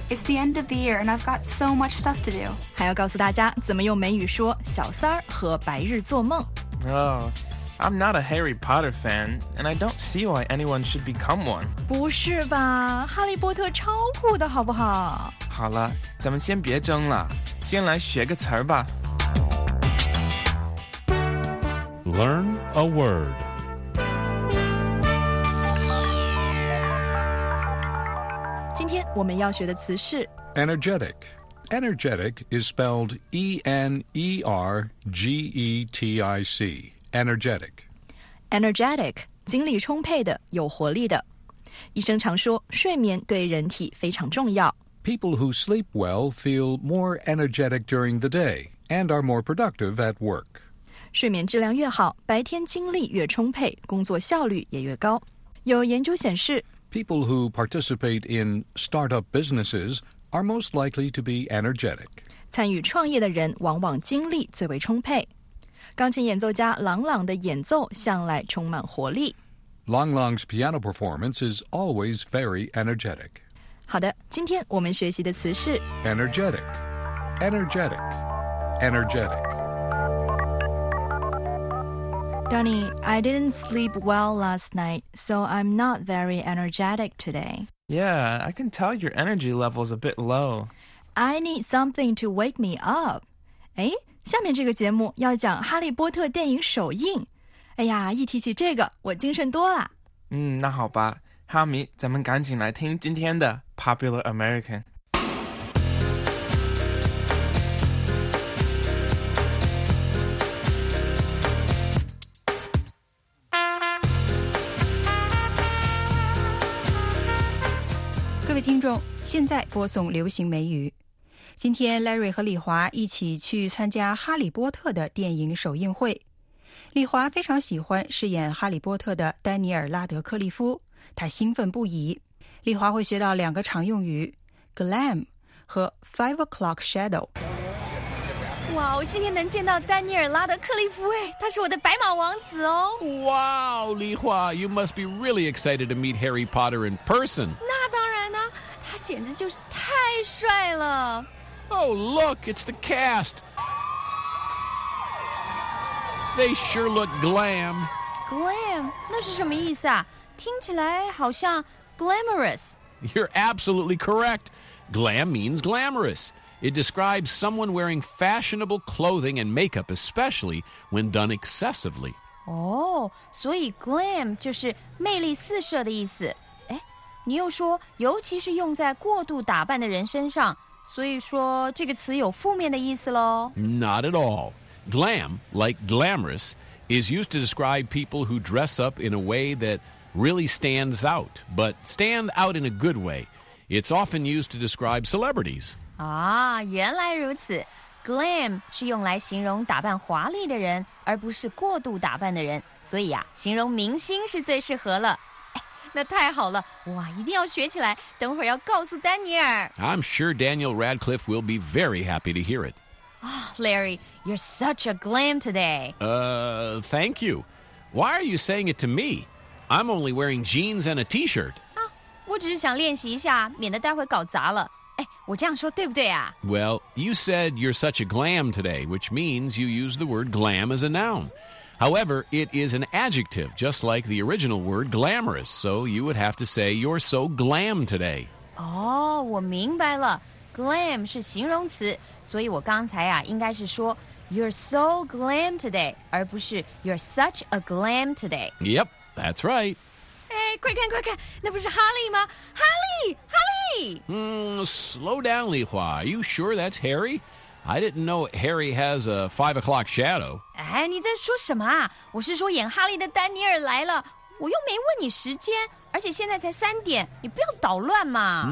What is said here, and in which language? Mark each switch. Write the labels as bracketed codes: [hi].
[en] It's the end of the year and I've got so much stuff to do. [zh] 还要告诉大家怎么用美语说小三儿和白日做梦。 [en] Oh, I'm not a Harry Potter fan and I don't see why anyone should become one. [zh] 不是吧，哈利波特超酷的好不好？好了，咱们先别争了，先来学个词儿吧。 [en] Learn a word. [zh] 今天我们要学的词是 [en] energetic. Energetic is spelled E-N-E-R-G-E-T-I-C. Energetic. [zh] Energetic, 精力充沛的，有活力的。医生常说，睡眠对人体非常重要。 [en] People who sleep well feel more energetic during the day and are more productive at work. [zh] 睡眠质量越好，白天精力越充沛，工作效率也越高。有研究显示， [en] People who participate in startup businesses are most likely to be energetic. [zh] 参与创业的人往往精力最为充沛。钢琴演奏家朗朗的演奏向来充满活力。 [en] Lang Lang's piano performance is always very energetic. [zh] 好的，今天我们学习的词是 [en] energetic, energetic, energetic. Donny, I didn't sleep well last night, so I'm not very energetic today. Yeah, I can tell your energy level's a bit low. I need something to wake me up. [zh] 诶，下面这个节目要讲哈利波特电影首映。哎呀，一提起这个，我精神多了。嗯，那好吧，哈迷，咱们赶紧来听今天的 Popular American。各位听众，现在播送流行美语。今天 Larry 和李华一起去参加哈利波特的电影首映会。李华非常喜欢饰演哈利波特的丹尼尔·拉德克利夫，他兴奋不已。李华会学到两个常用语 glam 和 5 o'clock shadow。哇，我今天能见到丹尼尔·拉德克利夫，哎，他是我的白马王子哦。 [en] 哇，李华， you must be really excited to meet Harry Potter in person. [zh] 那他简直就是太帅了。 [en] Oh look, it's the cast. They sure look glam. [zh] Glam? 那是什么意思啊？听起来好像 glamorous. [en] You're absolutely correct. Glam means glamorous. It describes someone wearing fashionable clothing and makeup, especially when done excessively. [zh] Oh, 所以 glam 就是魅力四射的意思。你又说，尤其是用在过度打扮的人身上，所以说这个词有负面的意思咯。 [en] Not at all. Glam, like glamorous, is used to describe people who dress up in a way that really stands out, but stand out in a good way. It's often used to describe celebrities. [zh] 啊，原来如此。 Glam 是用来形容打扮华丽的人，而不是过度打扮的人。所以啊，形容明星是最适合了。那太好了，我一定要学起来，等会儿要告诉丹尼尔。 [en] I'm sure Daniel Radcliffe will be very happy to hear it. Oh, Larry, you're such a glam today. Thank you. Why are you saying it to me? I'm only wearing jeans and a t-shirt. [zh] 啊，我只是想练习一下，免得待会搞砸了。哎，我这样说对不对啊？ [en] Well, you said you're such a glam today, which means you use the word glam as a noun. However, it is an adjective, just like the original word glamorous, so you would have to say you're so glam today. [zh] Oh, 我明白了。Glam 是形容词，所以我刚才啊，应该是说 [en] you're so glam today, [zh] 而不是 [en] you're such a glam today. Yep, that's right. [zh] Hey, 快看快看，那不是哈利吗？哈利，哈利！ [en] Slow down, Li Hua. Are you sure that's Harry? I didn't know Harry has a 5 o'clock shadow. [zh] 哎，你在说什么啊？我是说演哈利的丹尼尔来了，我又没问你时间，而且现在才三点，你不要捣乱嘛。